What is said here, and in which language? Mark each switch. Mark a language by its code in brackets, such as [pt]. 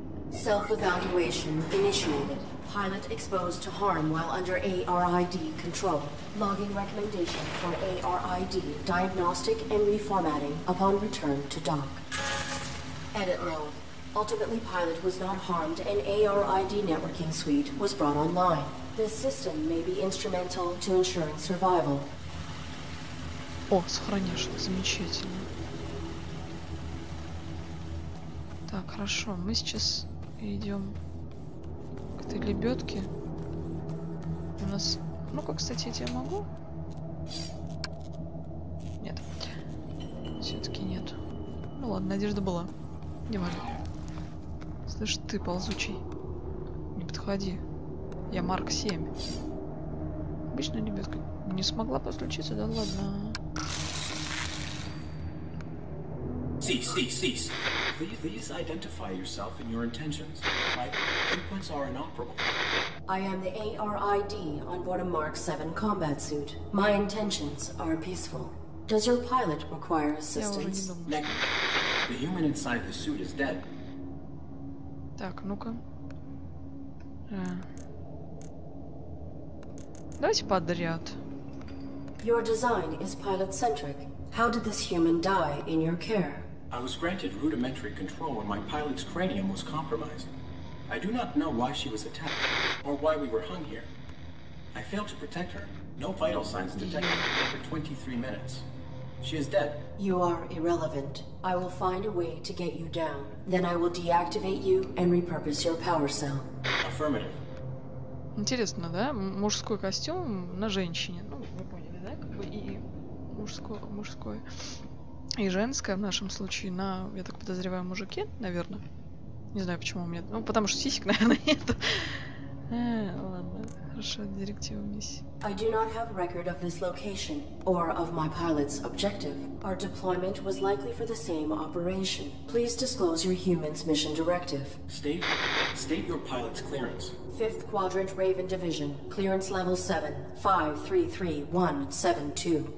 [en] Self-evaluation initiated. Pilot exposed to harm while under ARID control. Logging recommendation for ARID. Diagnostic and reformatting upon return to dock. Edit mode. Ultimately, pilot was not harmed and ARID networking suite was brought online. This system may be instrumental to ensuring survival. [ru] О, сохраняшек, замечательно. Так, хорошо, мы сейчас идем к этой лебедке. У нас... Ну-ка, кстати, я тебя могу? Нет. Все-таки нет. Ну ладно, надежда была. Не важно. Слышь, ты ползучий. Не подходи. Я Марк 7. Обычная лебедка. Не смогла подключиться, да ладно. [en] Cease. Please identify yourself and your intentions. My inputs are inoperable. I am the ARID on board a Mark 7 combat suit. My intentions are peaceful. Does your pilot require assistance? Negative. The human inside the suit is dead. [ru] Так, ну-ка. Давайте подряд. [en] Your design is pilot-centric. How did this human die in your care? I was granted rudimentary control when my pilot's cranium was compromised. I do not know why she was attacked, or why we were hung here. I failed to protect her. No vital signs detected for 23 minutes. She is dead. You are irrelevant. I will find a way to get you down. Then I will deactivate you and repurpose your power cell. Affirmative. [ru] Интересно, да? Мужской костюм на женщине. Ну, вы поняли, да? Как бы и мужской. И женская в нашем случае на, я так подозреваю, мужике, наверное. Не знаю, почему у меня... Ну, потому что сисек, наверное, нет. Ладно, хорошо, директива миссии. [en] I do not have record of this location, or of my pilot's objective. Our deployment was likely for the same operation. Please disclose your human's mission directive. State your pilot's clearance. Fifth Quadrant Raven Division. Clearance level 7. 533172.